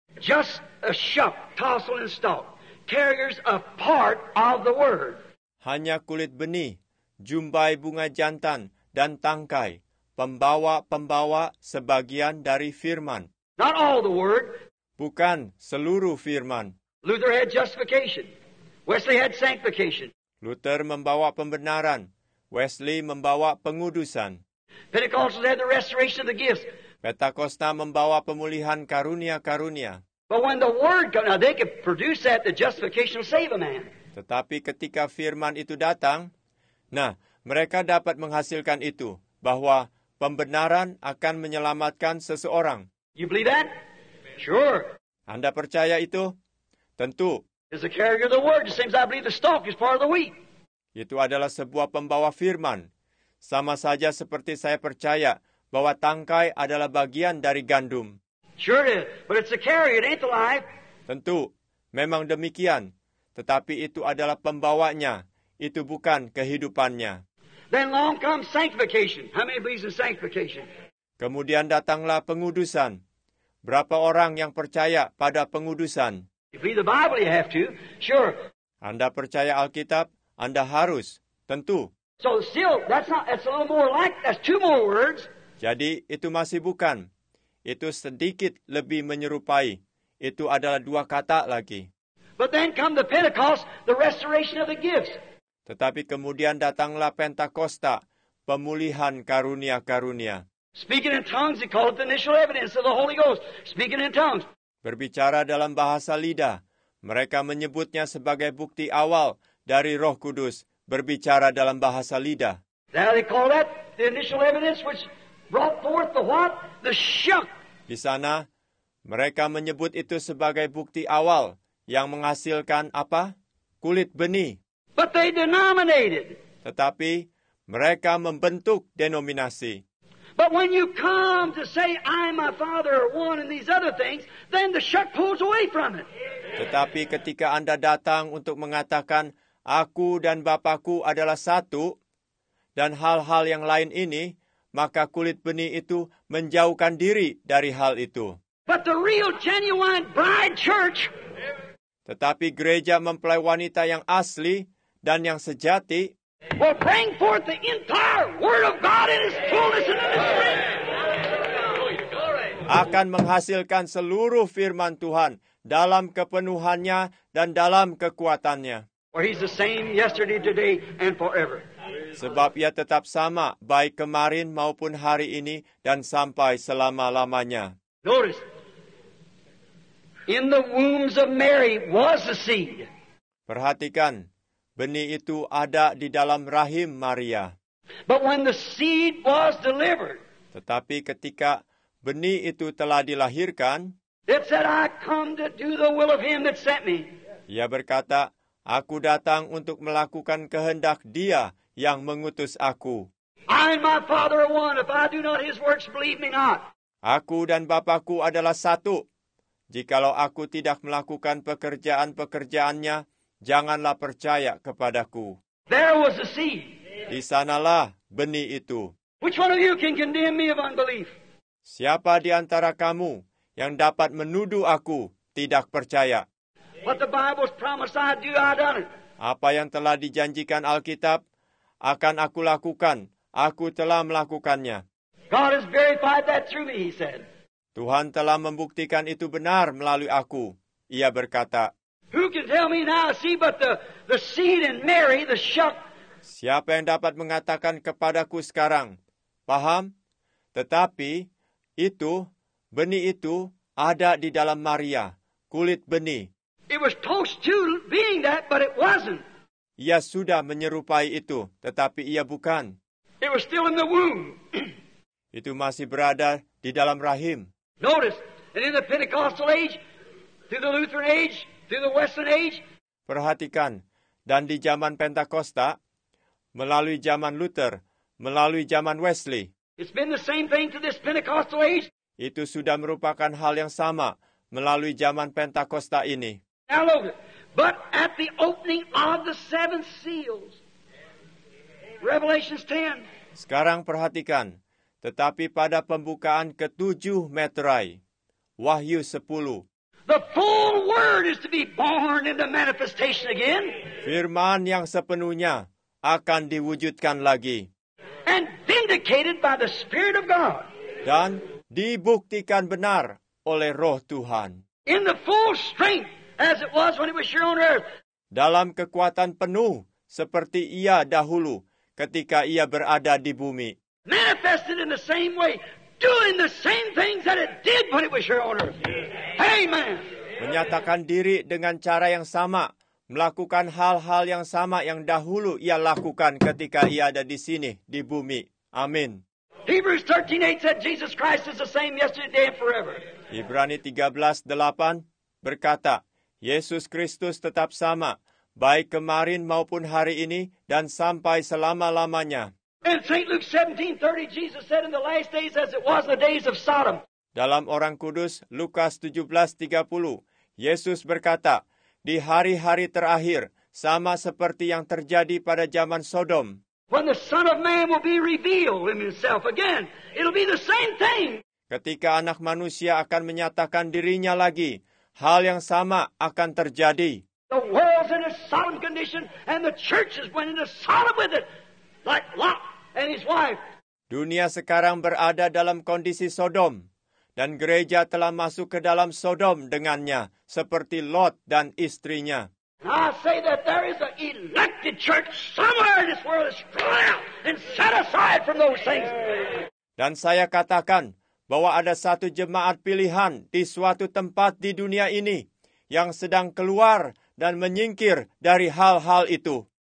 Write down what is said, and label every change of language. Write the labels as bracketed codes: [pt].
[en] Just a shuck, tassel and stalk, carriers a part of the word. [id] Hanya kulit benih, jumbai bunga jantan dan tangkai, pembawa-pembawa sebagian dari firman. [en] Not all the word. [id] Bukan seluruh firman. [en] Luther had justification. Wesley had sanctification. [id] Luther membawa pembenaran. Wesley membawa pengudusan. [en] Pentecostals had the restoration of the gifts. [id] Pentakosta membawa pemulihan karunia-karunia. [en] But when the word comes, now they could produce that, the justification will save a man. [id] Tetapi ketika firman itu datang, nah, mereka dapat menghasilkan itu, bahwa pembenaran akan menyelamatkan seseorang. [en] You believe that? Sure. [id] Anda percaya itu? Tentu. [en] Is a carrier of the word, the same as I believe the stalk is part of the wheat. [id] Itu adalah sebuah pembawa firman. Sama saja seperti saya percaya bahwa tangkai adalah bagian dari gandum. [en] Sure it is, but it's a carrier, it ain't the life. [id] Tentu, memang demikian. Tetapi itu adalah pembawanya, itu bukan kehidupannya. [en] Then long comes sanctification. How many believes in sanctification? [id] Kemudian datanglah pengudusan. Berapa orang yang percaya pada pengudusan? [en] You believe the Bible, you have to. Sure. [id] Anda percaya Alkitab, Anda harus. Tentu. [en] So still, that's a little more like, that's two more words. [id] Jadi, itu masih bukan. Itu sedikit lebih menyerupai. Itu adalah dua kata lagi. [en] But then come the Pentecost, the restoration of the gifts. [id] Tetapi kemudian datanglah Pentakosta, pemulihan karunia-karunia. [en] Speaking in tongues, they call it the initial evidence of the Holy Ghost. Speaking in tongues. [id] Berbicara dalam bahasa lidah, mereka menyebutnya sebagai bukti awal dari Roh Kudus berbicara dalam bahasa lidah. [en] Now they call that the initial evidence which brought forth the what? The shuck. [id] Di sana, mereka menyebut itu sebagai bukti awal yang menghasilkan apa? Kulit benih. [en] But they denominated. [id] Tetapi mereka membentuk denominasi. [en] But when you come to say I and my Father are one and these other things, then the shuck pulls away from it. [id] Tetapi ketika Anda datang untuk mengatakan aku dan Bapakku adalah satu dan hal-hal yang lain ini, maka kulit benih itu menjauhkan diri dari hal itu. [en] But the real genuine bride church. [id] Tetapi gereja mempelai wanita yang asli dan yang sejati. [en] Will bring forth the entire word of God in its fullness and in its strength. [id] Akan menghasilkan seluruh firman Tuhan dalam kepenuhannya dan dalam kekuatannya. [en] For he's the same yesterday, today, and forever. [id] Sebab ia tetap sama baik kemarin maupun hari ini dan sampai selama-lamanya. [en] Notice, in the wombs of Mary was the seed. [id] Perhatikan. Benih itu ada di dalam rahim Maria. [en] But when the seed was delivered, [id] tetapi ketika benih itu telah dilahirkan, [en] it said, I come to do the will of him that sent me. [id] Ia berkata, aku datang untuk melakukan kehendak Dia yang mengutus aku. [en] I and my Father are one. If I do not his works, believe me not. [id] Aku dan Bapakku adalah satu. Jikalau aku tidak melakukan pekerjaan-pekerjaannya, janganlah percaya kepadaku. [en] There was a seed. [id] Di sanalah benih itu. [en] Which one of you can condemn me of unbelief? [id] Siapa di antara kamu yang dapat menuduh aku tidak percaya? [en] What the Bible's promised I do, I done it. [id] Apa yang telah dijanjikan Alkitab akan aku lakukan. Aku telah melakukannya. [en] God has verified that through me, he said. [id] Tuhan telah membuktikan itu benar melalui aku. Ia berkata, [en] who can tell me now, see, but the seed in Mary, the shuck. [id] Siapa yang dapat mengatakan kepadaku sekarang? Paham? Tetapi itu, benih itu ada di dalam Maria, kulit benih. [en] It was close to being that, but it wasn't. [id] Ia sudah menyerupai itu, tetapi ia bukan. [en] It was still in the womb. [id] Itu masih berada di dalam rahim. [en] Notice that in the Pentecostal age, through the Lutheran age, through the Western age. [id] Perhatikan, dan di zaman Pentakosta, melalui zaman Luther, melalui zaman Wesley. [en] It's been the same thing to this Pentecostal age. [id] Itu sudah merupakan hal yang sama melalui zaman Pentakosta ini. [en] But at the opening of the seven seals, Revelation 10. [id] Sekarang perhatikan, tetapi pada pembukaan ketujuh meterai, Wahyu 10. [en] The full word is to be born into manifestation again. [id] Firman yang sepenuhnya akan diwujudkan lagi. [en] And vindicated by the Spirit of God. [id] Dan dibuktikan benar oleh Roh Tuhan. [en] In the full strength. As it was when it was here on earth. [id] Dalam kekuatan penuh seperti ia dahulu ketika ia berada di bumi. [en] Manifested in the same way, doing the same things that it did when it was here on earth. Amen. [id] Menyatakan diri dengan cara yang sama, melakukan hal-hal yang sama yang dahulu ia lakukan ketika ia ada di sini di bumi. Amin. [en] Hebrews 13:8 said Jesus Christ is the same yesterday and forever. [id] Ibrani 13:8 berkata, Yesus Kristus tetap sama, baik kemarin maupun hari ini, dan sampai selama-lamanya. [en] In St. Luke 17:30, Jesus said in the last days as it was the days of Sodom. [id] Dalam orang kudus, Lukas 17:30, Yesus berkata, di hari-hari terakhir, sama seperti yang terjadi pada zaman Sodom. [en] When the Son of Man will be revealed in himself again, it'll be the same thing. [id] Ketika anak manusia akan menyatakan dirinya lagi, hal yang sama akan terjadi. [en] The world's in a solemn condition and the church is went into solemn with it, like Lot and his wife. [id] Dunia sekarang berada dalam kondisi Sodom, dan gereja telah masuk ke dalam Sodom dengannya, seperti Lot dan istrinya. [en] I say that there is an elected church somewhere in this world that's drawn out and set aside from those things. [id] Dan saya katakan, bahwa ada satu jemaat pilihan di suatu tempat di dunia ini yang sedang keluar dan menyingkir dari hal-hal itu.